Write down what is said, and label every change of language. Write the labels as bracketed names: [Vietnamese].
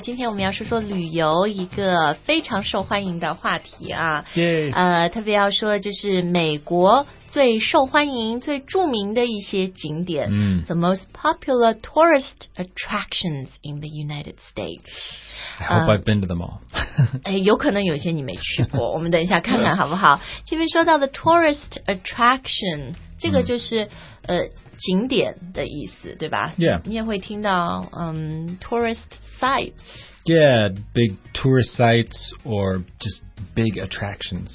[Chinese] 今天我们要说说旅游一个非常受欢迎的话题啊。对。特别要说就是美国最受欢迎、最著名的一些景点。 [English] The most popular tourist attractions in the United States. I hope I've been to them all. [Chinese] 有可能有些你没去过，我们等一下看看好不好。前面说到的 tourist attraction, 这个就是、景点的意思，对吧？ [English] Yeah. [Chinese] 你也会听到、tourist sites. [English] Yeah, big tourist sites or just big attractions.